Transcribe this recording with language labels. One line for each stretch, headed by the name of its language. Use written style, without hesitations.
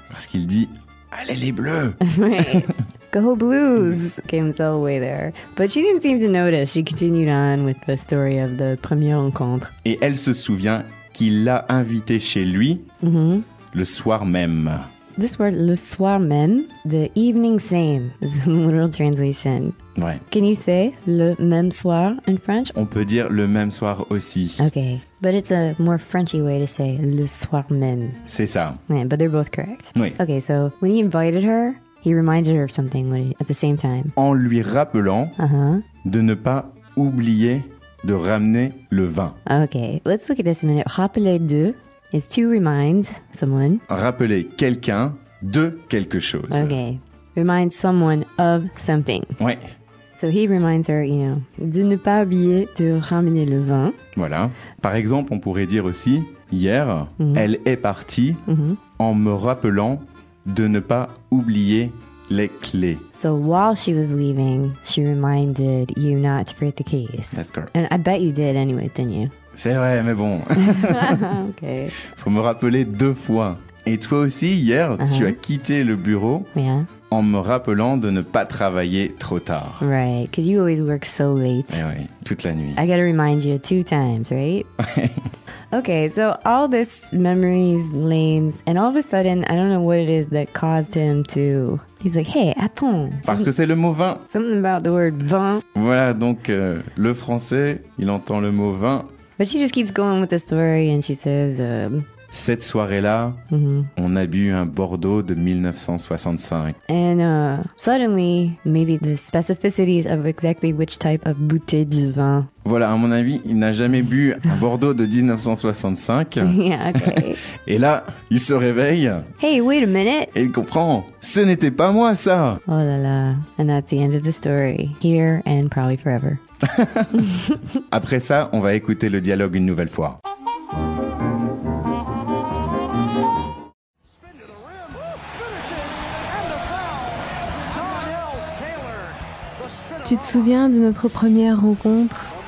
French: Parce qu'il dit, allez les bleus!
English: Right. Go blues! Came all the way there. But she didn't seem to notice. She continued on with the story of the
French: premier rencontre. Et elle se souvient qu'il l'a invité chez lui le soir même.
English: This word,
French: le soir même,
English: the evening same, is a literal translation.
French: Ouais.
English: Can you say
French: le même soir
English: in French?
French: On peut dire le même soir aussi.
English: Okay, but it's a more Frenchy way to say
French: le soir même. C'est ça.
English: Yeah, but they're both correct.
French: Oui.
English: Okay, so when he invited her, he reminded her of something at the same time.
French: En lui rappelant de ne pas oublier de ramener le vin.
English: Okay, let's look at this a minute.
French: Rappeler de...
English: is to remind someone.
French: Rappeler quelqu'un de quelque chose.
English: Okay. Remind someone of something.
French: Ouais.
English: So he reminds her, you know,
French: de ne pas oublier de ramener le vin. Voilà. Par exemple, on pourrait dire aussi, hier, elle est partie en me rappelant de ne pas oublier les clés.
English: So while she was leaving, she reminded you not to forget the keys. That's correct. And I bet you did anyway, didn't you?
French: C'est vrai, mais bon.
English: Okay.
French: Faut me rappeler deux fois. Et toi aussi, hier, tu as quitté le bureau en me rappelant de ne pas travailler trop tard.
English: Right, because you always work so late.
French: Et oui, toute la nuit.
English: I gotta remind you two times, right? Okay, so all this memories, lanes, and all of a sudden, I don't know what it is that caused him to... He's like, hey,
French: attends. Parce que c'est le mot vin.
English: Something about the word vin.
French: Voilà, donc le français, il entend le mot vin...
English: But she just keeps going with the story and she says...
French: Cette soirée-là, on a bu un Bordeaux de 1965.
English: And suddenly, maybe the specificities of exactly which type of
French: bouteille de vin. Voilà, à mon avis, il n'a jamais bu un Bordeaux de 1965.
English: Yeah, okay.
French: Et là, il se réveille.
English: Hey, wait a minute.
French: Et il comprend, ce n'était pas moi ça.
English: Oh là là, and that's the end of the story. Here and probably forever.
French: Après ça, on va écouter le dialogue une nouvelle fois. Tu te souviens de notre première rencontre?